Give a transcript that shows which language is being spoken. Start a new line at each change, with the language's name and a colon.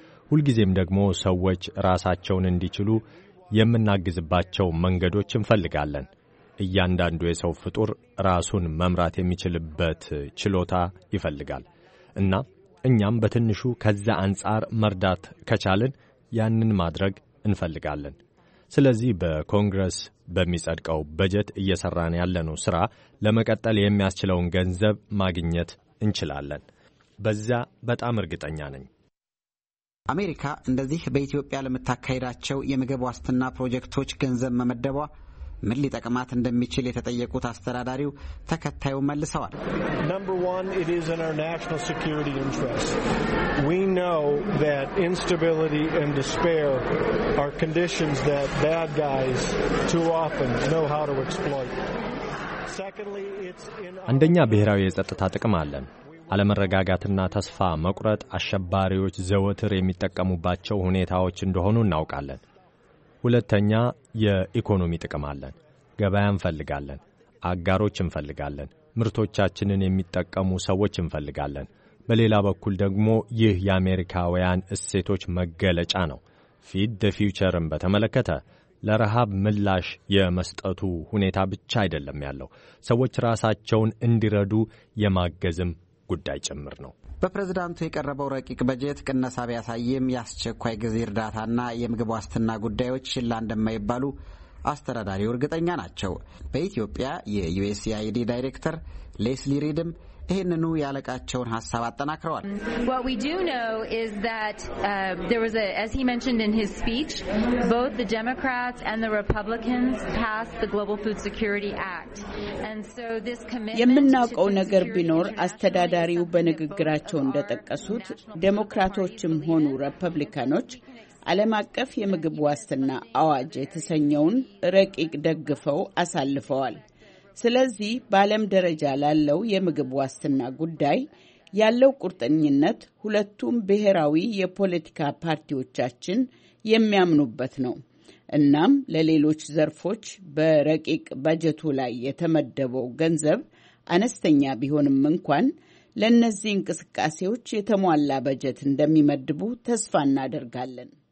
Amharic: ሁልጊዜም ደግሞ ሰዎች ራሳቸውን እንዲችሉ የምናግዝባቸው መንገዶች እንፈልጋለን። እያንዳንዱ የሰው ፍጡር ራሱን መምራት የሚችልበት ችሎታ ይፈልጋል እና እኛም በትንሹ ከዛ አንጻር መርዳት ከቻልን ያንን ማድረግ እንፈልጋለን። ስለዚህ በኮንግረስ በሚጸድቀው በጀት እየሰራን ያለነው ሥራ ለመቀጠል የሚያስችለውን ገንዘብ ማግኘት እንችላለን። በዛ በጣም እርግጠኛ ነኝ። አሜሪካ እንደዚህ በኢትዮጵያ ለምታካሄዳቸው የምግብ ዋስትና ፕሮጀክቶች ገንዘብ መመደቧ ምን ሊጠቅማት እንደሚችል የተጠየቁት አስተዳዳሪው ተከታዩ መልሰዋል።
English: Number 1, it is in our national security interest. We know that instability and despair are conditions that bad guys too often know how to exploit. Secondly, it's in
Amharic: አንደኛ ብሔራዊ የጸጥታ ጥቅም አለን። አለመረጋጋትና ተስፋ መቁረጥ አሸባሪዎች ዘወትር የሚጠቀሙባቸው ሁኔታዎች እንደሆኑ እናውቃለን። ሁለተኛ የኢኮኖሚ ጥቅም አለን። ገበያ እንፈልጋለን። አጋሮች እንፈልጋለን። ምርቶቻችንን የሚጠቀሙ ሰዎች እንፈልጋለን። በሌላ በኩል ደግሞ ይህ የአሜሪካውያን እሴቶች መገለጫ ነው። ፊድ ዘ ፊውቸርን በተመለከተ ለረሃብ ምላሽ የመስጠቱ ሁኔታ ብቻ አይደለም ያለው፣ ሰዎች ራሳቸውን እንዲረዱ የማገዝም ጉዳይ ጭምር ነው። በፕሬዝዳንቱ የቀረበው ረቂቅ በጀት ቅነሳ ቢያሳይም የአስቸኳይ ጊዜ እርዳታና የምግብ ዋስትና ጉዳዮች ሽላ እንደማይባሉ አስተዳዳሪው እርግጠኛ ናቸው። በኢትዮጵያ የዩኤስአይዲ ዳይሬክተር ሌስሊ ሪድም ይህንኑ ያለቃቸውን ሐሳብ አጠናክረዋል።
English: What we do know is that there was a, as he mentioned in his speech, both the Democrats and the Republicans passed the Global Food Security Act. And so this commitment
Amharic: የምናውቀው ነገር ቢኖር አስተዳዳሪው በንግግራቸው እንደጠቀሱት ዴሞክራቶችም ሆኑ ሪፐብሊካኖች ዓለም አቀፍ የምግብ ዋስትና አዋጅ የተሰኘውን ረቂቅ ደግፈው አሳልፈዋል። ስለዚህ በአለም ደረጃ ላለው የምግብ ዋስትና ጉዳይ ያለው ቁርጠኝነት ሁለቱም ብሔራዊ የፖለቲካ ፓርቲዎቻችን የሚያምኑበት ነው። እናም ለሌሎች ዘርፎች በረቂቅ በጀቱ ላይ የተመደበው ገንዘብ አነስተኛ ቢሆንም እንኳን ለነዚህ እንቅስቃሴዎች የተሟላ በጀት እንደሚመድቡ ተስፋ እናደርጋለን።